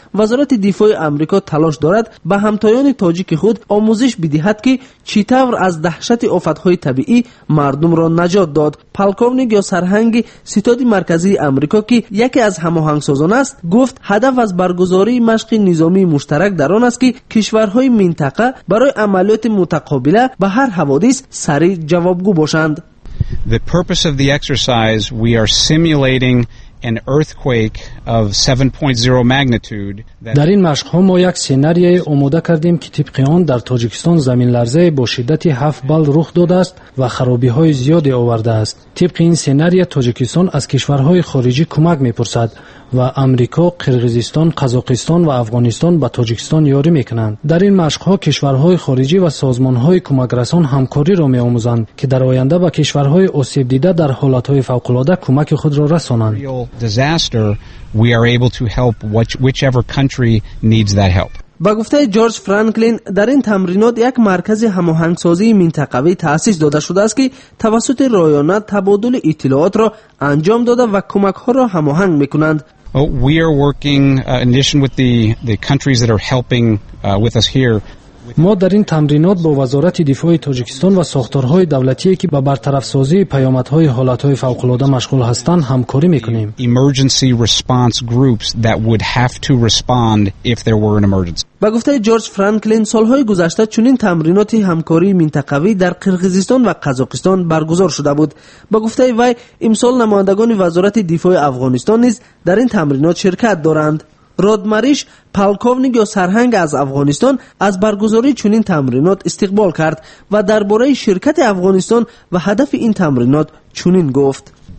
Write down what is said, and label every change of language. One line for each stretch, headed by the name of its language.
Persian: وزارت دفاع آمریکا تلاش دارد به همتایان تاجیک خود آموزش بدهد که چی طور از دهشت آفات طبیعی مردم را نجات داد. پلکونیک یا سرهنگ ستاد مرکزی آمریکا که یکی از هماهنگ سازان است گفت هدف از برگزاری مشق نظامی مشترک در آن است که کشورهای منطقه برای عملیات متقابله به هر حوادث سریع جوابگو باشند.
English: The purpose of the exercise, we are simulating an earthquake of 7.0 magnitude.
Persian: در این مشق ها ما یک سناریوی آماده کردیم که طبق آن در تاجیکستان زمین لرزه با شدت 7 بال رخ داده است و خرابی های زیادی آورده است. طبق این سناریو تاجیکستان از کشورهای خارجی کمک میپرسد و آمریکا، قرقیزستان، قزاقستان و افغانستان به تاجیکستان یاری میکنند. در این مشق ها کشورهای خارجی و سازمان های کمک رسان همکاری را میآموزند که در آینده به کشورهای آسیب دیده در حالات های فوق العاده کمک خود را رسانند.
English: We are able to help whichever country needs that help.
Persian: با گفته جورج فرانکلین در این تمرینات یک مرکز هماهنگسازی منطقوی تأسیس داده شده است که توسط رایانه تبادل اطلاعات را انجام داده و کمک ها را هماهنگ میکنند.
English: We are working in addition with the countries that are helping with us here.
Persian: ما در این تمرینات با وزارت دفاع تاجیکستان و ساختارهای دولتی که به برطرف سازی پیامدهای حالات فوق العاده مشغول هستند همکاری میکنیم.
English: Emergency response groups that would have to respond if there were an emergency.
Persian: با گفته جورج فرانکلین سالهای گذشته چنین تمرینات همکاری منطقوی در قرقیزستان و قزاقستان برگزار شده بود. با گفته وی امسال نمایندگان وزارت دفاع افغانستان نیز در این تمرینات شرکت دارند. رودمریش پالکونیک یا سرهنگ از افغانستان از برگزاری چنین تمرینات استقبال کرد و درباره شرکت افغانستان و هدف این تمرینات چنین گفت.